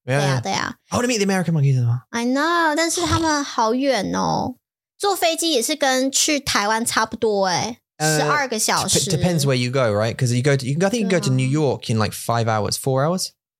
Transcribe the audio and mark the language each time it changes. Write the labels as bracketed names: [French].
[English] Yeah. I want to meet the American monkeys as well. I know, [Chinese] 但是他们好远哦。坐飞机也是跟去台湾差不多诶。 12个小时。 [English] Depends where you go, right? Because you go to, I think you can go to New York in like 5 hours, 4 hours.